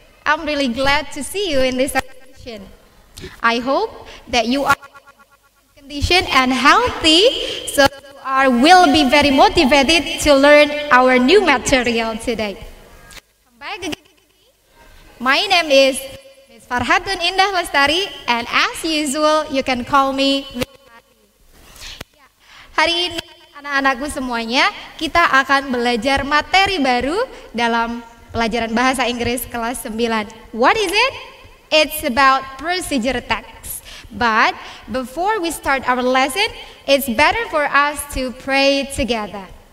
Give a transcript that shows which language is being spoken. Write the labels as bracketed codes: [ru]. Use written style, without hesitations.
[en] I'm really glad to see you in this session. I hope that you are in condition and healthy, so you are will be very motivated to learn our new material today. Come back again. My name is Ms. Farhatun Indah Lestari, and as usual, you can call me. [id] Hari ini, anak-anakku semuanya, kita akan belajar materi baru dalam pelajaran bahasa Inggris kelas 9. [en] What is it? It's about procedure text. But before we start our lesson, it's better for us to pray together.